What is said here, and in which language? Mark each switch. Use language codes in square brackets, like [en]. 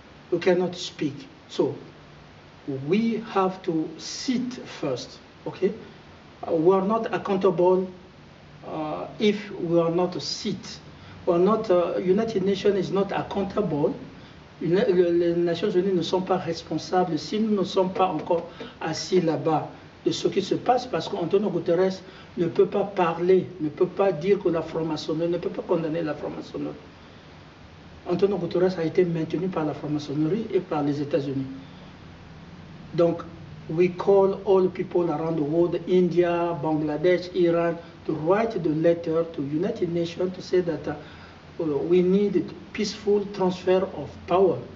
[en] You cannot speak. So we have to sit first, okay? We are not accountable. If we are not a seat, we are not, United Nations is not accountable. [fr] Les Nations Unies ne sont pas responsables si nous ne sommes pas encore assis là-bas de ce qui se passe, parce qu'Antonio Guterres ne peut pas parler, ne peut pas dire que la franc-maçonnerie, ne peut pas condamner la franc-maçonnerie. Antonio Guterres a été maintenu par la franc-maçonnerie et par les États-Unis. [en] Donc, we call all people around the world, India, Bangladesh, Iran, to write the letter to United Nations to say that we need a peaceful transfer of power.